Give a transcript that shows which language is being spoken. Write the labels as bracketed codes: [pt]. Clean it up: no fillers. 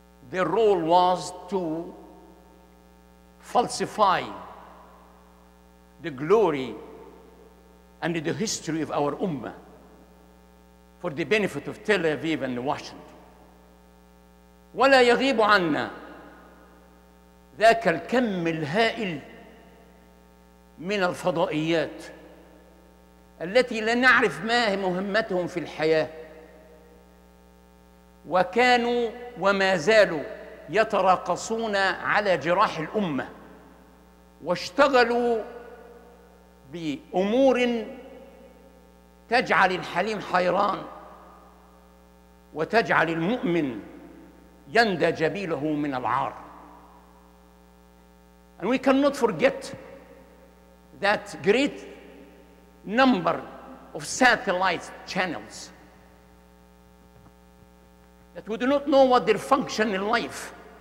[en] Their role was to falsify the glory and the history of our Ummah for the benefit of Tel Aviv and Washington. [ar] ولا يغيب عنا ذاك الكم الهائل من الفضائيات التي لا نعرف ما هي مهمتهم في الحياة وكانوا وما زالوا يتراقصون على جراح الأمة واشتغلوا بأمور تجعل الحليم حيران وتجعل المؤمن يندى جبيله من العار. [en] And we cannot forget that great number of satellite channels that we do not know what their function in life.